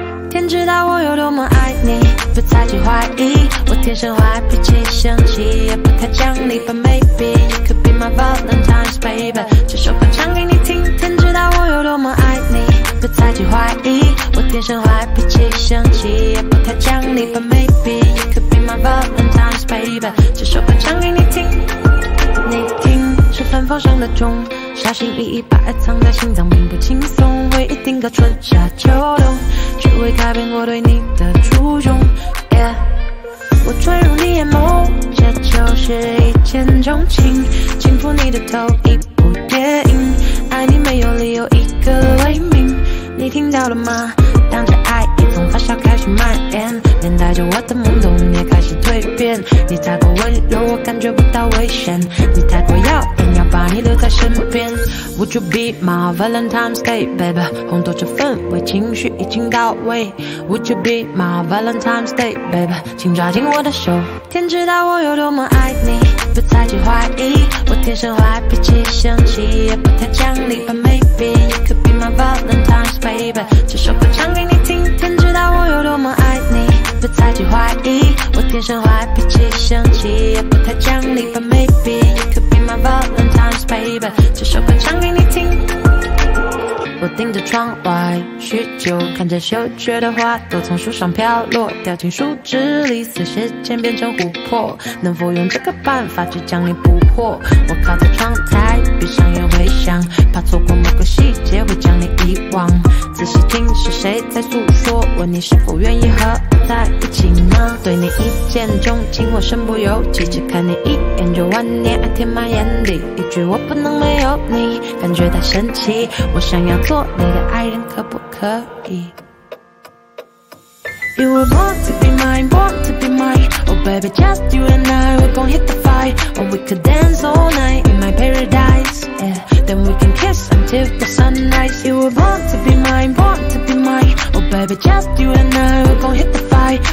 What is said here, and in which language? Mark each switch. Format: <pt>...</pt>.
<zh>天知道我有多么爱你，不再去怀疑，我天生坏脾气，生气也不太讲理。</zh> <en>But maybe you could be my Valentine's baby，</en> <zh>这首歌唱给你听。天知道我有多么爱你，不再去怀疑，我天生坏脾气，生气也不太讲理。</zh> <en>But maybe you could be my Valentine's baby，</en> <zh>这首歌唱给你听。你听，是反方向的钟，小心翼翼把爱藏在心脏，并不轻松。会一定到春夏秋冬，只为改变我对你的初衷。 Yeah， 我坠入你眼眸，这就是一见钟情，轻抚你的头，一部电影。爱你没有理由，一个雷鸣，你听到了吗？当这爱已从发酵开始蔓延，连带着我的懵懂也开始蜕变。你太过温柔，我感觉不到危险，你太过耀眼，要把你留在身边。</zh> <en>Would you be my Valentine's day baby，</en> <zh>烘托这氛围，情绪已经到位。</zh> <en>Would you be my Valentine's day baby，</en> <zh>请抓紧我的手。天知道我有多么爱你，不再去怀疑，我天生坏脾气，生气也不太讲理。</zh> <en>But maybe you could be my Valentine's baby，</en> <zh>这首歌唱给你听。天知道我有多么爱你，不再去怀疑，我天生坏脾气，生气也不太讲理。</zh> <en>But maybe you could be my Valentine's baby，</en> <zh>这首歌唱给你听。我盯着窗外许久，看着羞怯的花都从树上飘落，掉进树枝里，似时间变成琥珀，能否用这个办法只将你捕获。我靠在窗台，闭上眼回想，怕错过某个细节会将你遗忘。仔细听是谁在诉说，问你是否愿意和我在一起呢。对你一见钟情，我身不由己，只看你一眼就万年爱填满眼底。一句我不能没有你，感觉太神奇，我想要做你的爱人，可不可以？</zh> <en>You were born to be mine, born to be mine. Oh baby, just you and I, we're gonna hit the fight. Oh, we could dance all night in my paradise. Yeah, then we can kiss until the sunrise. You were born to be mine, born to be mine. Oh baby, just you and I, we're gonna hit the fight.</en>